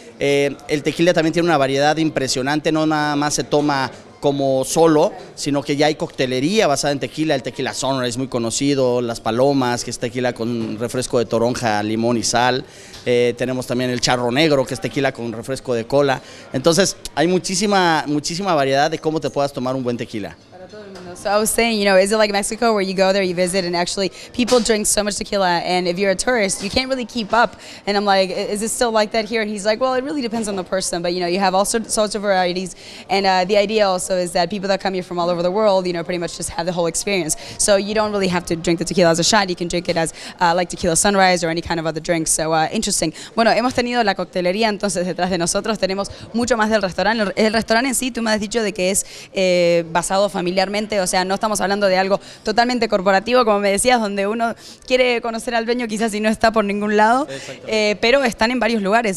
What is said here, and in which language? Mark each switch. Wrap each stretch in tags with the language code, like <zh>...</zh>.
<es>El tequila también tiene una variedad impresionante, no nada más se toma como solo, sino que ya hay coctelería basada en tequila. El tequila Sunrise es muy conocido, Las Palomas, que es tequila con refresco de toronja, limón y sal. Tenemos también el Charro Negro, que es tequila con refresco de cola. Entonces, hay muchísima variedad de cómo te puedas tomar un buen tequila. Para todo el mundo.</es> <en>So I was saying, you know, is it like Mexico where you go there, you visit, and actually people drink so much tequila, and if you're a tourist, you can't really keep up. And I'm like, is it still like that here? And he's like, well, it really depends on the person, but you know, you have all sorts of varieties. And the idea also is that people that come here from all over the world, you know, pretty much just have the whole experience. So you don't really have to drink the tequila as a shot. You can drink it as like tequila sunrise or any kind of other drink. So interesting.</en> <es>Bueno, hemos tenido la coctelería, entonces detrás de nosotros tenemos mucho más del restaurante. El restaurante en sí, tú me has dicho de que es basado familiarmente, o sea, no estamos hablando de algo totalmente corporativo, como me decías, donde uno quiere conocer al dueño quizás y no está por ningún lado, pero están en varios lugares.</es>